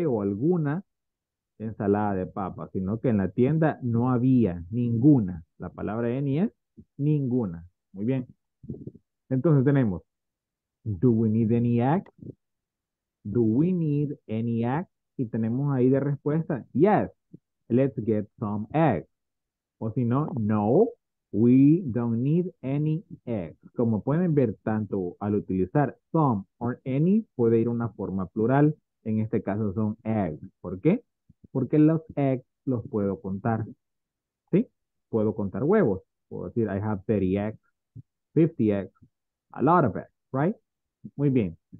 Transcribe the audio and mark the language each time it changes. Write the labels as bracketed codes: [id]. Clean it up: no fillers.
[es] O alguna ensalada de papa, sino que en la tienda no había ninguna. La palabra any es ninguna. Muy bien. Entonces tenemos, [en] do we need any eggs? Do we need any eggs? [es] Y tenemos ahí de respuesta, [en] yes, let's get some eggs. [es] O si no, no, [en] we don't need any eggs. [es] Como pueden ver, tanto al utilizar some or any, puede ir una forma plural. En este caso son eggs. ¿Por qué? Porque los eggs los puedo contar. Puedo contar huevos. Puedo decir, [en] I have 30 eggs, 50 eggs. A lot of it, right? [es] Muy bien.